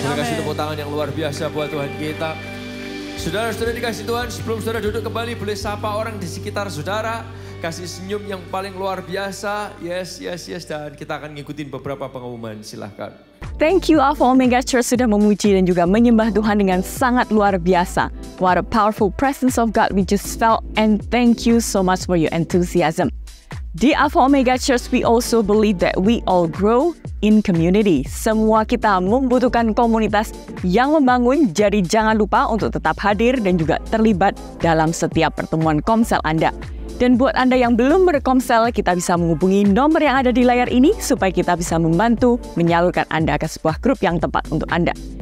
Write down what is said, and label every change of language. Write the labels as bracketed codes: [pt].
[id] Terima kasih, tepuk tangan yang luar biasa buat Tuhan kita. Saudara-saudara dikasih Tuhan, sebelum saudara duduk kembali, boleh sapa orang di sekitar saudara. Kasih senyum yang paling luar biasa. [en] Yes, yes, yes. [id] Dan kita akan ngikutin beberapa pengumuman. Silahkan. [en] Thank you [id] Alpha Omega Church sudah memuji dan juga menyembah Tuhan dengan sangat luar biasa. [en] What a powerful presence of God we just felt, and thank you so much for your enthusiasm. [id] Di [en] Alpha Omega Church, we also believe that we all grow in community. [id] Semua kita membutuhkan komunitas yang membangun, jadi jangan lupa untuk tetap hadir dan juga terlibat dalam setiap pertemuan komsel Anda. Dan buat Anda yang belum berkomsel, kita bisa menghubungi nomor yang ada di layar ini supaya kita bisa membantu menyalurkan Anda ke sebuah grup yang tepat untuk Anda.